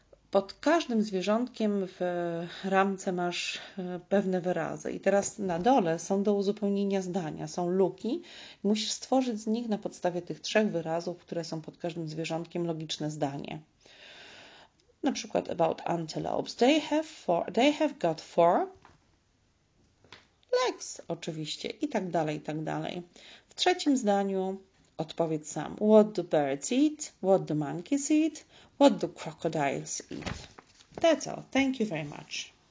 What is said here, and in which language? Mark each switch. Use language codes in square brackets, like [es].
[pl] Pod każdym zwierzątkiem w ramce masz pewne wyrazy. I teraz na dole są do uzupełnienia zdania, są luki. Musisz stworzyć z nich na podstawie tych trzech wyrazów, które są pod każdym zwierzątkiem, logiczne zdanie. Na przykład [en] about antelopes. They have got four legs, [pl] oczywiście. I tak dalej, i tak dalej. W trzecim zdaniu odpowiedz sam. [en] What do birds eat? What do monkeys eat? What do crocodiles eat? That's all. Thank you very much.